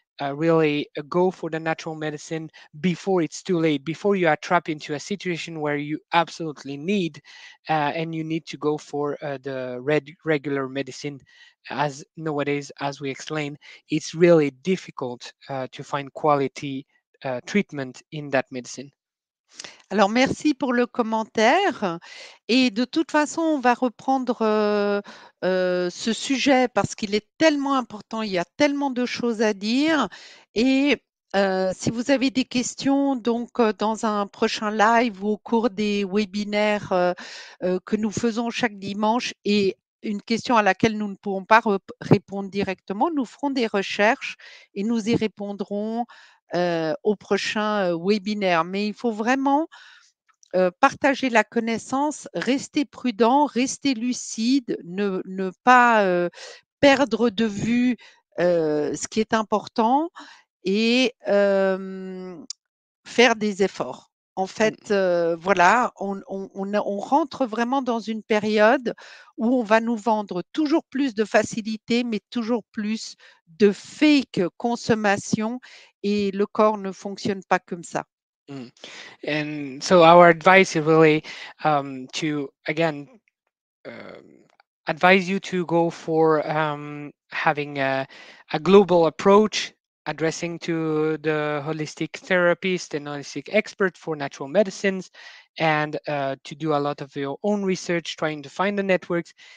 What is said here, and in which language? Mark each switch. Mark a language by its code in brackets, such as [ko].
[en] Really go for the natural medicine before it's too late, before you are trapped into a situation where you absolutely need and you need to go for the regular medicine. As nowadays, as we explained, it's really difficult to find quality treatment in that medicine. [fr] Alors, merci pour le commentaire. Et de toute façon, on va reprendre ce sujet parce qu'il est tellement important, il y a tellement de choses à dire. Et Si vous avez des questions, donc dans un prochain live ou au cours des webinaires que nous faisons chaque dimanche et une question à laquelle nous ne pourrons pas répondre directement, nous ferons des recherches et nous y répondrons au prochain webinaire. Mais il faut vraiment partager la connaissance, rester prudent, rester lucide, ne pas perdre de vue ce qui est important et faire des efforts. En fait, voilà, on rentre vraiment dans une période où on va nous vendre toujours plus de facilité, mais toujours plus de fake consommation, et le corps ne fonctionne pas comme ça. [en] And so our advice is really to again advise you to go for having a global approach, addressing to the holistic therapist and holistic expert for natural medicines, and to do a lot of your own research, trying to find the networks.